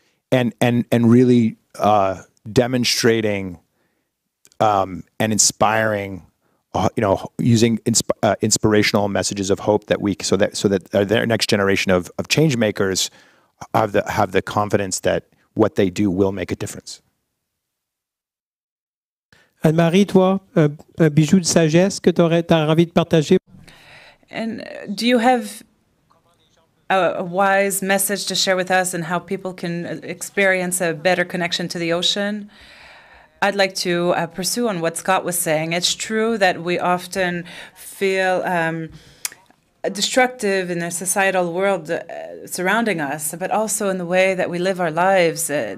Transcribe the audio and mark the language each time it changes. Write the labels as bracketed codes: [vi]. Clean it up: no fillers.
[en] And really demonstrating and inspiring, you know, using inspirational messages of hope so that their next generation of change makers have the confidence that what they do will make a difference. [fr] Anne-Marie, toi, un bijou de sagesse que t'as envie de partager? [en] And do you have a wise message to share with us and how people can experience a better connection to the ocean? I'd like to pursue on what Scott was saying. It's true that we often feel destructive in the societal world surrounding us, but also in the way that we live our lives.